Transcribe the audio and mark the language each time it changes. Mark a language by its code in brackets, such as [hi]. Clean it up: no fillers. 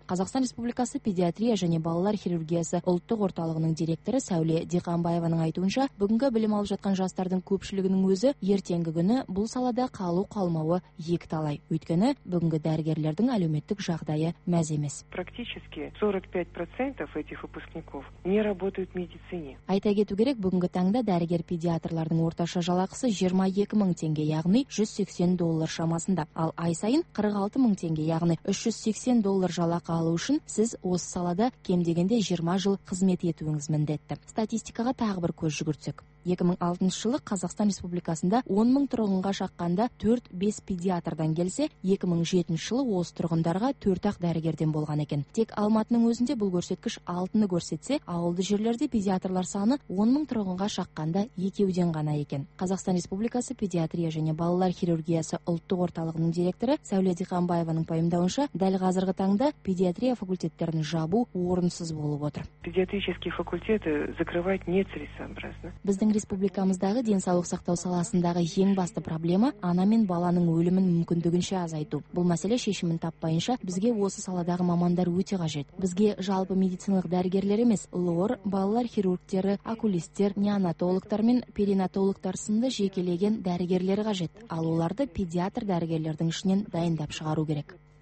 [kk] Қазақстан Республикасы педиатрия және балалар хирургиясы ұлттық орталығының директоры Сәуле Диқанбаеваның айтуынша, бүгінгі білім алып жатқан жастардың көпшілігінің өзі ертеңгі күні бұл салада қалу қалмауы екіталай. Өйткені бүгінгі дәрігерлердің әлеуметтік жағдайы мәз емес. [ru] Практически 45% этих выпускников не работают в медицине. [kk] Айта кету керек, бүгінгі таңда дәрігер-педиатрлардың орташа жалақысы 22 000 теңге, яғни $180 шамасында. Ал ай сайын 46 000 теңге, яғни $380 жалақы алу үшін сіз осы салада кем дегенде 20 жыл қызмет етуіңіз міндетті. Статистикаға тағы бір көз жүгіртсек. 2006 жылы Қазақстан Республикасында 10 000 тұрғынға шаққанда 4-5 педиатрдан келсе, 2007 жылы осы тұрғындарға 4-ақ дәрігерден болған екен. Тек Алматының өзінде бұл көрсеткіш 6-ны көрсетсе, ауылды жерлерде педиатрлар саны 10 000 тұрғынға шаққанда 2-ден ғана екен. Қазақстан Республикасы педиатрия және балалар хирургиясы ұлттық орталығының директоры Сәуле Диқанбаеваның пайымдауынша, дәл қазіргі таңда педиатрия факультеттерін жабу орынсыз болып отыр. [ru] Педиатрические факультеты закрывать нецелесообразно. [kk] Біздің республикамыздағы денсаулық сақтау саласындағы ең басты проблема ана мен баланың өлімін мүмкіндігінше азайту. Бұл мәселе шешімін таппайынша бізге осы саладағы мамандар өте қажет. Бізге жалпы медициналық дәрігерлер емес, лор, балалар хирургтері, окулисттер, неонатологтар мен перинатологтар сынды жекелеген дәрігерлер қажет. Ал оларды педиатр дәрігерлердің ішінен дайындап шығару керек.